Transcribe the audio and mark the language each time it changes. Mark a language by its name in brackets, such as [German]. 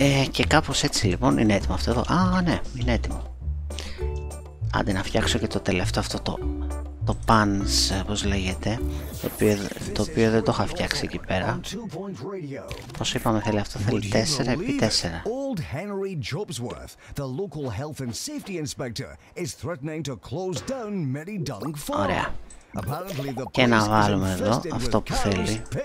[Greek] Και κάπως έτσι λοιπόν είναι έτοιμο αυτό εδώ. Α, ναι, είναι έτοιμο. Άντε να φτιάξω και το τελευταίο αυτό το pans, όπως λέγεται, το οποίο δεν το είχα φτιάξει εκεί πέρα. Όπως είπαμε, θέλει αυτό, θέλει 4x4. [English] Old Henry Jobsworth, the local health and safety inspector, is threatening to close down Merry Dunk Farm. [Greek] Ωραία. Και να βάλουμε εδώ αυτό που θέλει.